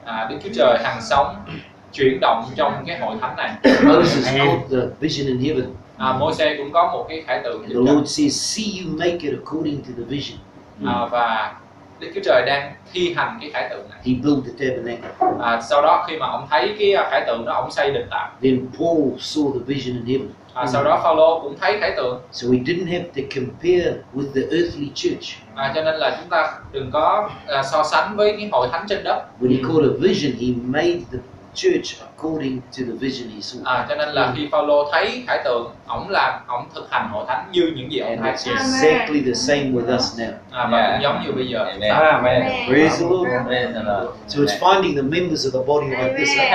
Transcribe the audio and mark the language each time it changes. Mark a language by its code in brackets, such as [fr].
[vi] Đức Chúa Trời hằng sống chuyển động trong cái hội thánh này. [en] Moses called the vision in heaven. [vi] Moses cũng có một cái khải tượng. [en] The Lord says, "See you make it according to the vision." [vi] Và Đức Chúa Trời đang thi hành cái khải tượng này. [en] He built the tabernacle. [vi] Sau đó khi mà ông thấy cái khải tượng đó, ông xây đền tạm. [en] Then Paul saw the vision in heaven. [vi] Sau đó Phaolô cũng thấy khải tượng. [en] So we didn't have to compare with the earthly church. [vi] Cho nên là chúng ta đừng có so sánh với những hội thánh trên đất. [en] When he called a vision, he made the church according to the vision he saw. [vi] Cho nên là khi Phaolô thấy khải tượng, ông làm, ông thực hành hội thánh như những gì ông thấy. [en] Exactly the same with us now. [vi] Cũng giống như bây giờ. [en] Amen. Praise the Lord. So it's finding the members of the body like this.